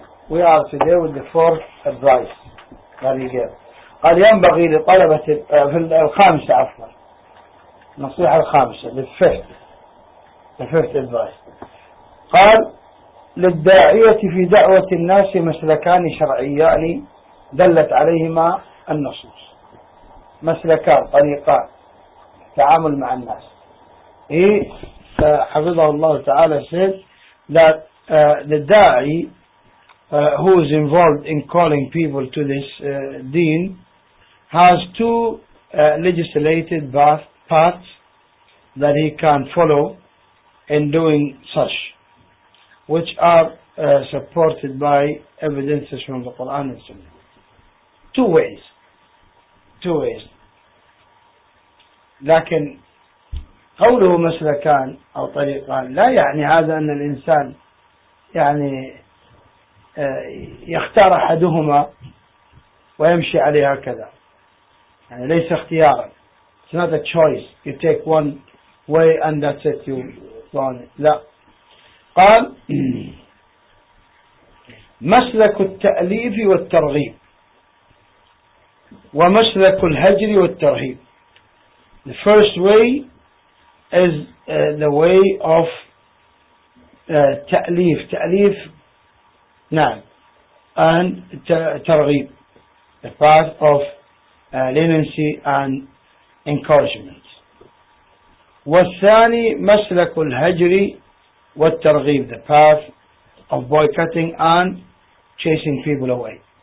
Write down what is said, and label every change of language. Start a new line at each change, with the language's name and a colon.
English: We are today with the fourth advice that he gave.
Arabic: قال ينبغي لطلبة الخامسة عفوا النصيحة الخامسة
English: the fifth advice.
Arabic: قال للداعية في دعوة الناس مسلكان شرعيان دلت عليهما النصوص. مسلكان طريقان تعامل مع الناس.
English: He
Arabic: حفظه الله تعالى
English: said that the da'i who is involved in calling people to this deen has two legislated paths that he can follow in doing such, which are supported by evidences from the Quran and Sunnah. Two ways.
Arabic: لكن قوله مسلكان أو طريقان لا يعني هذا أن الإنسان يعني يختار أحدهما ويمشي عليها كذا, يعني ليس اختيارا.
English: It's not a choice. You take one way and that's it. You go on it.
Arabic: لا. قال مسلك التأليف والترغيب ومسلك الهجر والترهيب.
English: The first way is the way of تأليف.
Arabic: تأليف نعم. And ترغيب.
English: The path of leniency and encouragement.
Arabic: والثاني مسلك الهجر والترغيب.
English: The path of boycotting and chasing people away.